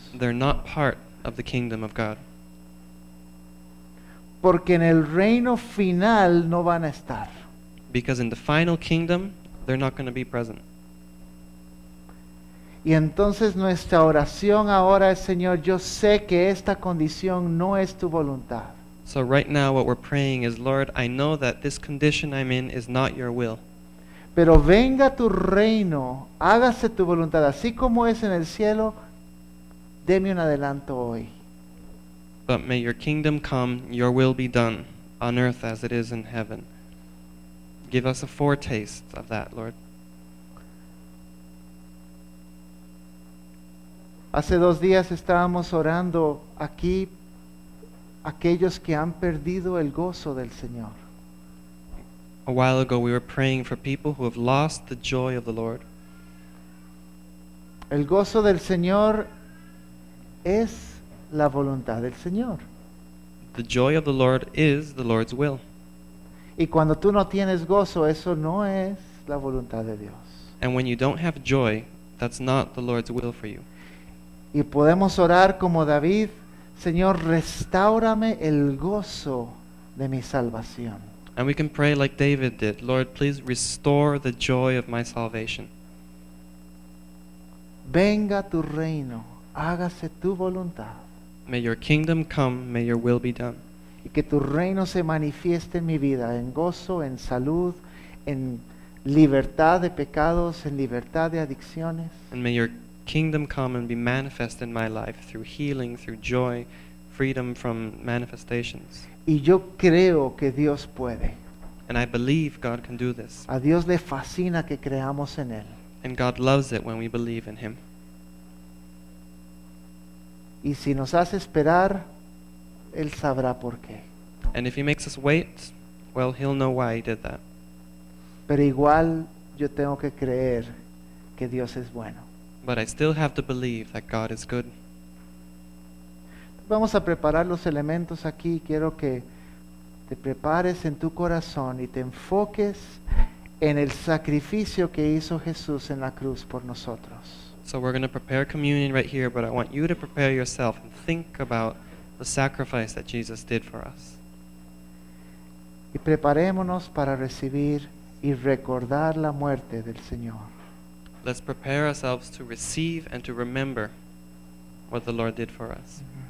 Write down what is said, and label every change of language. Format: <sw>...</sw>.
<en>They're not part of the kingdom of God.</en> <es>Porque en el reino final no van a estar.</es> <en>Because in the final kingdom, they're not going to be present.</en> <es>Y entonces nuestra oración ahora es, Señor, yo sé que esta condición no es tu voluntad.</es> <en>So right now what we're praying is, Lord, I know that this condition I'm in is not your will.</en> <es>Pero venga tu reino, hágase tu voluntad, así como es en el cielo, deme un adelanto hoy.</es> <en>But may your kingdom come, your will be done, on earth as it is in heaven. Give us a foretaste of that, Lord.</en> <es>Hace 2 días estábamos orando aquí, aquellos que han perdido el gozo del Señor.</es> <en>A while ago we were praying for people who have lost the joy of the Lord.</en> <es>El gozo del Señor es la voluntad del Señor.</es> <en>The joy of the Lord is the Lord's will.</en> <es>Y cuando tú no tienes gozo, eso no es la voluntad de Dios.</es> <en>And when you don't have joy, that's not the Lord's will for you.</en> <es>Y podemos orar como David, Señor, restáurame el gozo de mi salvación.</es> <en>And we can pray like David did, Lord, please restore the joy of my salvation.</en> <es>Venga tu reino, hágase tu voluntad.</es> <en>May your kingdom come, may your will be done.</en> <es>Y que tu reino se manifieste en mi vida, en gozo, en salud, en libertad de pecados, en libertad de adicciones.</es> <en>And may your kingdom come and be manifest in my life through healing, through joy, freedom from manifestations.</en> <es>Y yo creo que Dios puede.</es> <en>And I believe God can do this.</en> <es>A Dios le fascina que creamos en él.</es> <en>And God loves it when we believe in him.</en> <es>Y si nos hace esperar, él sabrá por qué.</es> <en>And if he makes us wait, well, he'll know why he did that.</en> <es>Pero igual yo tengo que creer que Dios es bueno.</es> <en>But I still have to believe that God is good.</en> <es>Vamos a preparar los elementos aquí. Quiero que te prepares en tu corazón y te enfoques en el sacrificio que hizo Jesús en la cruz por nosotros.</es> <en>So we're going to prepare communion right here, but I want you to prepare yourself and think about the sacrifice that Jesus did for us.</en> <es>Y preparémonos para recibir y recordar la muerte del Señor.</es> <en>Let's prepare ourselves to receive and to remember what the Lord did for us.</en>